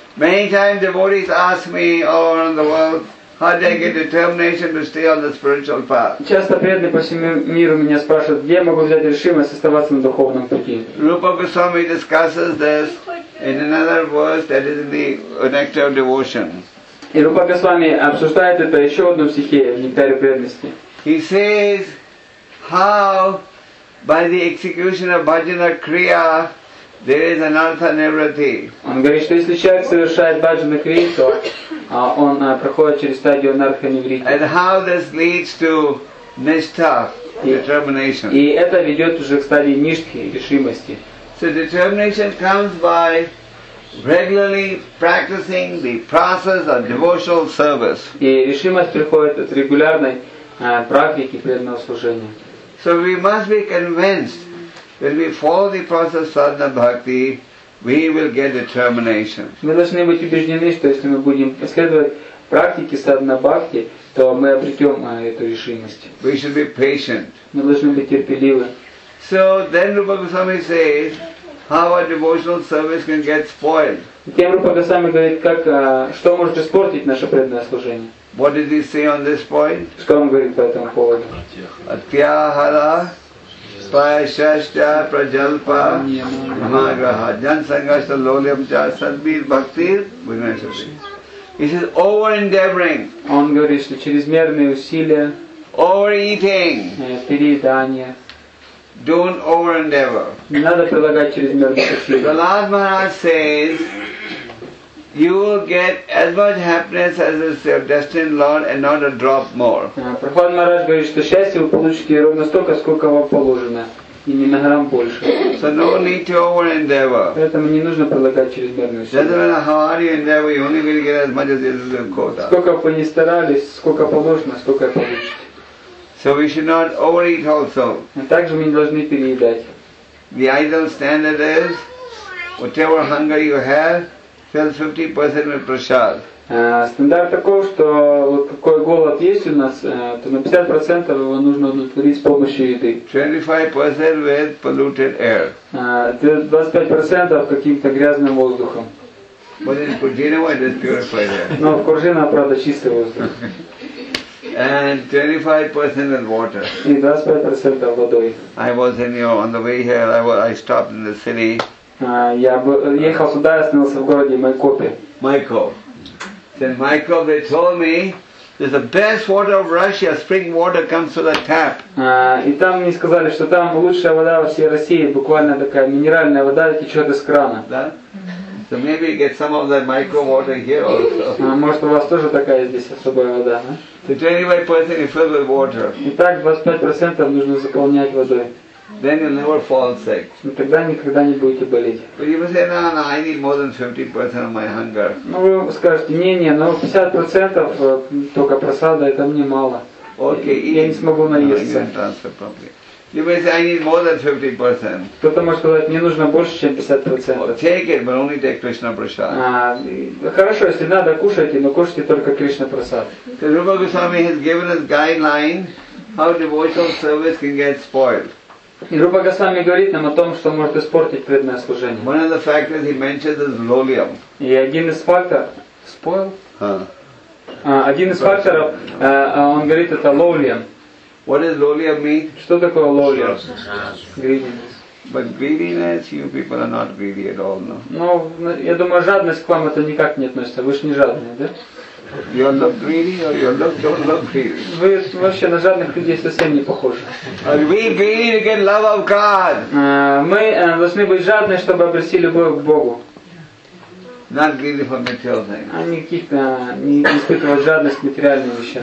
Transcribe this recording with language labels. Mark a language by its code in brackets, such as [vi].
[en] Many times devotees ask me all around the world, how do I get determination to stay on the spiritual path? [ru] Часто преданные по всему миру меня спрашивают, где я могу взять решимость оставаться на духовном пути. [en] Rupa Goswami discusses this in another verse that is in the Nectar of Devotion. [ru] И Рупа Госвами обсуждает это еще в одном стихе в Нектаре преданности. [en] He says how by the execution of Bhajana Kriya there is an artha nivritti. [ru] Он говорит, что если человек совершает Bhajana Kriya, то он проходит через стадию анартха нивритти. [en] And how this leads to nishtha, determination. [ru] И это ведет уже к стадии ништхи, решимости. [en] So determination comes by regularly practicing the process of devotional service. [ru] И решимость приходит от регулярной практики преданного служения. [en] So we must be convinced that if we follow the process of sadhana bhakti, we will get determination. [ru] Мы должны быть убеждены, что если мы будем следовать практике садхана бхакти, то мы обретем эту решимость. [en] We should be patient. [ru] Мы должны быть терпеливы. [en] So then Rupa Goswami says, how a devotional service can get spoiled. [ru] Затем Рупа Госвами говорит, как что может испортить наше преданное служение. [en] What did he say on this point? [ru] Что он говорит по этому поводу? [sa] Атьяхара Спайшаштя Праджалпа Махаграха Джансангаштя Лолям Ча Садбир Бхактир Бхинашаши. [en] He says over-endeavoring. [ru] Он говорит, что чрезмерные усилия. [en] Overeating. [ru] Переедание. [en] Don't over-endeavor. [ru] Не надо прилагать чрезмерных усилий. [en] Пралад Махарадж says, you will get as much happiness as is your destined Lord and not a drop more. [ru] Прохлад Махарадж говорит, что счастье вы получите ровно столько, сколько вам положено, и не на грамм больше. [en] So no need to over-endeavor. [ru] Поэтому не нужно прилагать чрезмерные усилия. [en] Doesn't matter how hard you endeavor, you only will get as much as you can quota. [ru] Сколько бы вы ни старались, сколько положено, столько и получите. [en] So we should not overeat also. [ru] Также мы не должны переедать. [en] The ideal standard is, whatever hunger you have, fill 50% with prasad. [ru] Стандарт такой, что какой голод есть у нас, то на 50% его нужно удовлетворить с помощью еды. [en] 25% with polluted air. [ru] 25% каким-то грязным воздухом. [en] But in Kurjinova it is purified air. [ru] Но в Куржинова, правда, чистый воздух. [en] And 25% in water. [ru] И 25% водой. [en] I was in on the way here. I stopped in the city. [ru] Я ехал сюда, остановился в городе Майкопе. [en] Майкоп. Then Майкоп, they told me There's the best water of Russia, spring water comes through the tap. [ru] И там мне сказали, что там лучшая вода во всей России, буквально такая минеральная вода течет из крана. [en] So maybe you get some of the micro water here also. [ru] Может у вас тоже такая здесь особая вода, да? [en] 25% is filled with water. [ru] Итак, 25% нужно заполнять водой. [en] Then you'll never fall sick. [ru] Тогда никогда не будете болеть. [en] But you will say, no, no, I need more than 50% of my hunger. [ru] Ну вы скажете, не-не, но 50% только просада, это мне мало. [en] Okay, [ru] я не смогу наесться. [en] You may say, I need more than 50%. [ru] Кто-то может сказать, мне нужно больше, чем 50%. [en] Take it, but only take Krishna prasad. [ru] Хорошо, если надо, кушайте, но кушайте только Krishna prasad. [en] Because Rupa Goswami has given us guideline how devotional service can get spoiled. [ru] И Рупа Госвами говорит нам о том, что может испортить преданное служение. [en] One of the factors he mentions is lolium. [ru] И один из факторов... [en] Spoil? [ru] Один из факторов, он говорит, это lolium. [en] What does lolium mean? [ru] Что такое lolium? [en] Greediness. But greediness, you people are not greedy at all, no? [ru] Ну, я думаю, жадность к вам это никак не относится. Вы же не жадные, да? [en] You look greedy or you look don't look greedy? [ru] Вы вообще на жадных людей совсем не похожи. [en] Are we greedy to get love of God? [ru] Мы должны быть жадны, чтобы обрести любовь к Богу. [en] Not greedy for material things. [ru] А никаких-то не испытывать жадность к материальным вещам.